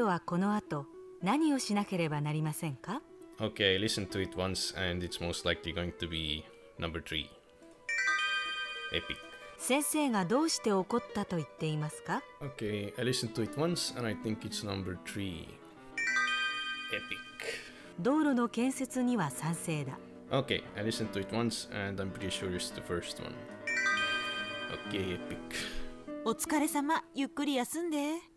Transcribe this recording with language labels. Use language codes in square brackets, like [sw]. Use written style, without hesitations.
[ja] 女の人はこの後何をしなければなりませんか? [en] Okay, I listened to it once and it's most likely going to be number 3. Epic. [ja] 先生がどうして怒ったと言っていますか? [en] Okay, I listened to it once and I think it's number 3. Epic. [ja] 道路の建設には賛成だ. [en] Okay, I listened to it once and I'm pretty sure it's the first one. Okay, epic. [ja] お疲れ様、ゆっくり休んで.